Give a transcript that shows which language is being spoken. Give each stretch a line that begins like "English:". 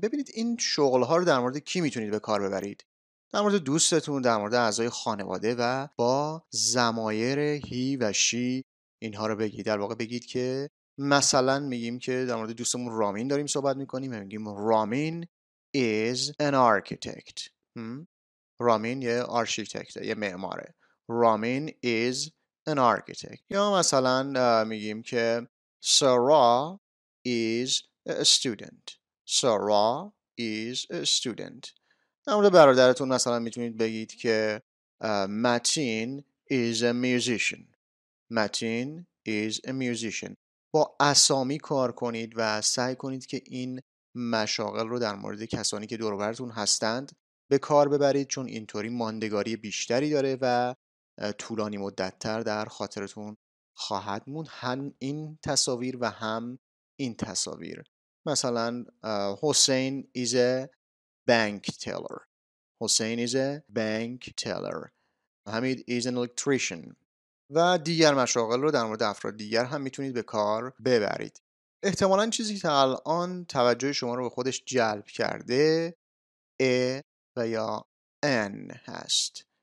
Persian: ببینید این شغل‌ها رو در مورد کی میتونید به کار ببرید؟ در مورد دوستتون، در مورد اعضای خانواده و با ضمایر هی و شی اینها رو بگید. در واقع بگید که مثلا میگیم که در مورد دوستمون رامین داریم صحبت میکنیم، میگیم رامین
English: is an architect.
Persian: رامین یه آرشیتکت، یه معماره.
English: Ramin is an architect.
Persian: یا مثلا میگیم که
English: Sarah is a student. Sarah is a student.
Persian: در مورد برادرتون مثلا میتونید بگید که
English: Matin is a musician. Matin is a musician.
Persian: با اسامی کار کنید و سعی کنید که این مشاغل رو در مورد کسانی که دور و برتون هستند به کار ببرید، چون اینطوری ماندگاری بیشتری داره و طولانی مدت تر در خاطرتون خواهد موند، هم این تصاویر و هم این تصاویر.
English: مثلا Hussein is a bank teller. Hussein is a bank teller. Hamid is an electrician.
Persian: و دیگر مشاغل رو در مورد افراد دیگر هم میتونید به کار ببرید. احتمالاً چیزی که تا الان توجه شما رو به خودش جلب کرده ا و یا ان هست.